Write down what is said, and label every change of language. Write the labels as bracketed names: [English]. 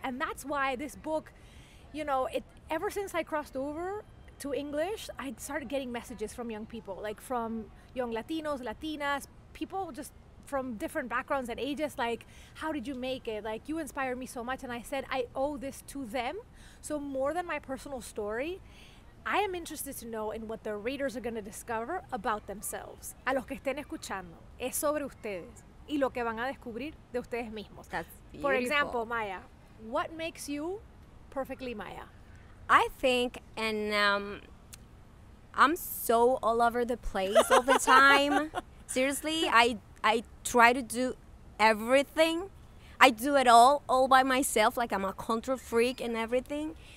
[English] And that's why this book, you know, it, ever since I crossed over to English, I started getting messages from young people, like from young Latinos, Latinas, people just from different backgrounds and ages, like, how did you make it? Like, you inspired me so much. And I said, I owe this to them. So more than my personal story, I am interested to know in what the readers are going to discover about themselves. [Spanish] A los que estén escuchando, es sobre ustedes y lo que van a descubrir de ustedes mismos. [English] That's beautiful. For example, Maiah, what makes you perfectly Maiah? I think, and I'm so all over the place all the time. Seriously, I try to do everything. I do it all by myself, like I'm a control freak and everything.